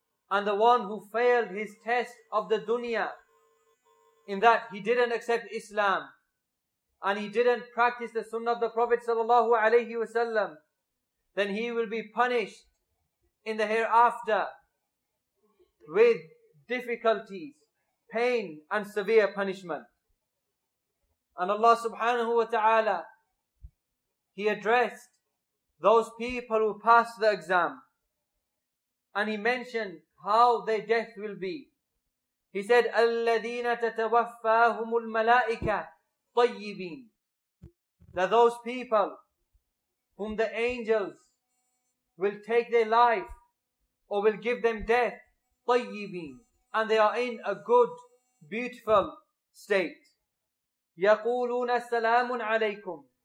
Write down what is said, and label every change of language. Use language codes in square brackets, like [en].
[en] And the one who failed his test of the dunya in that he didn't accept Islam and he didn't practice the sunnah of the Prophet sallallahu alayhi wasallam, then he will be punished in the hereafter with difficulties, pain and severe punishment. And Allah subhanahu wa ta'ala, he addressed those people who passed the exam and he mentioned how their death will be. He said, [ar] الَّذِينَ تَتَوَفَّاهُمُ الْمَلَائِكَةِ طَيِّبِينَ. [en] That those people whom the angels will take their life or will give them death, طَيِّبِينَ, and they are in a good, beautiful state. [ar] يَقُولُونَ السَّلَامٌ عَلَيْكُمْ.